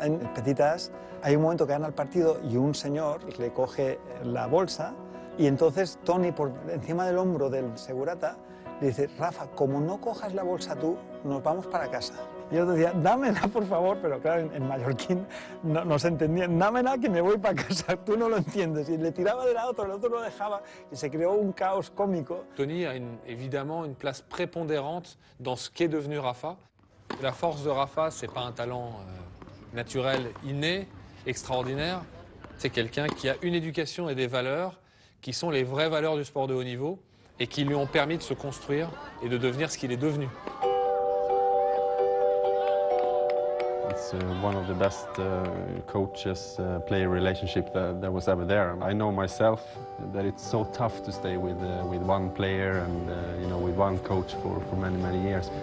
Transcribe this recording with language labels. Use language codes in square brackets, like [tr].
[es] En Petitas hay un momento que gana el partido y un señor le coge la bolsa y entonces Tony, por encima del hombro del segurata, le dice: Rafa, como no cojas la bolsa tú, nos vamos para casa. yo decía, dámela, por favor, pero claro, en mallorquín no se entendía, dámela que me voy para casa, tú no lo entiendes. Y le tiraba de lado, el otro lo dejaba, y se creó un caos cómico. [fr] Tony a évidemment une place prépondérante dans ce qu'est devenu Rafa. La force de Rafa, c'est pas un talent naturel, inné, extraordinaire. C'est quelqu'un qui a une éducation et des valeurs qui sont les vraies valeurs du sport de haut niveau et qui lui ont permis de se construire et de devenir ce qu'il est devenu. [en] It's one of the best coaches-player relationship that was ever there. I know myself that it's so tough to stay with one player and you know with one coach for many many years.